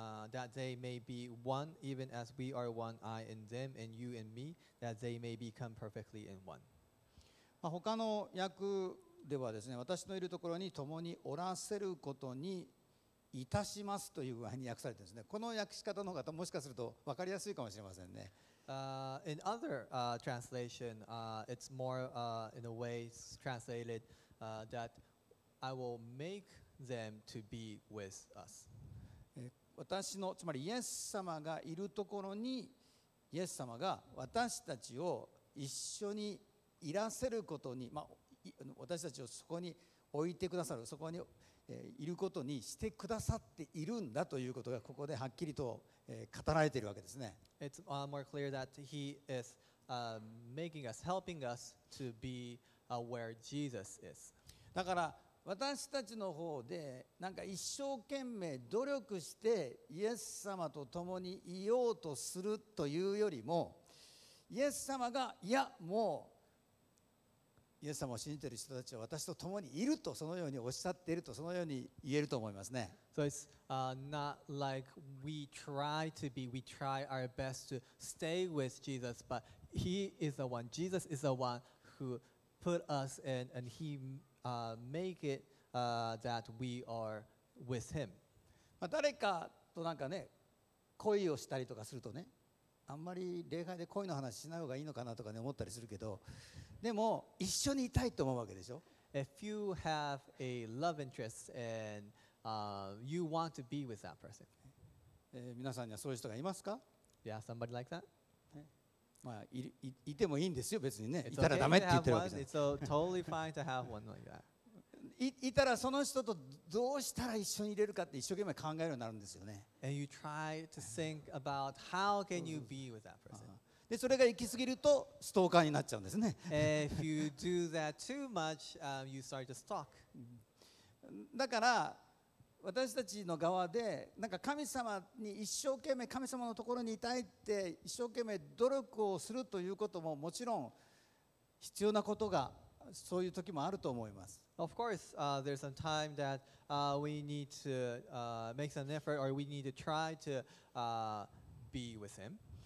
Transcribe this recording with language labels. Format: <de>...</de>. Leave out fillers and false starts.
<en>That they may be one even as we are one, I in them and you in me, that they may become perfectly in one.</en> <ja>他の訳ではですね、私のいるところに共におらせることにいたしますという具合に訳されてるんですね。この訳し方の方もしかすると分かりやすいかもしれませんね。</ja> <en>In other translation, it's more in a way translated that I will make them to be with us.</en> <ja>私のつまりイエス様がいるところにイエス様が私たちを一緒にいらせることに、まあ、私たちをそこに置いてくださる、そこにいることにしてくださっているんだということがここではっきりと語られているわけですね。</ja> <en>It's more clear that he is making us, helping us to be where Jesus is.</en> <ja>だから私たちの方でなんか一生懸命努力してイエス様と共にいようとするというよりも、イエス様がいやもうイエス様を信じている人たちは私と共にいるとそのようにおっしゃっていると、そのように言えると思いますね。</ja> <en>So it's not like we try to be, we try our best to stay with Jesus, but he is the one, Jesus is the one who put us in and he make it that we are with him.</en> <ja>誰かとなんかね恋をしたりとかするとね、あんまり礼拝で恋の話しない方がいいのかなとかね思ったりするけど、でも一緒にいたいと思うわけでしょ。</ja> <en>If you have a love interest and you want to be with that person.</en> <ja>皆さんにはそういう人がいますか？</ja> <en>Yeah, somebody like that?</en> <ja>まあ、いてもいいんですよ別にね。いたらダメって言ってるわけじゃない。</ja> <en>It's totally fine to have one like that.</en> <ja>いたらその人とどうしたら一緒にいれるかって一生懸命考えるようになるんですよね。</ja> <en>And you try to think about how can you be with that person.</en> <ja>でそれが行き過ぎるとストーカーになっちゃうんですね。</ja> <en>If you do that too much, you start to stalk.</en> <ja>だから私たちの側でなんか神様に一生懸命神様のところにいたいって一生懸命努力をするということももちろん必要なことが、そういう時もあると思います。</ja> <en>Of course, there's some time that we need to make some effort or we need to try to be with him.</en>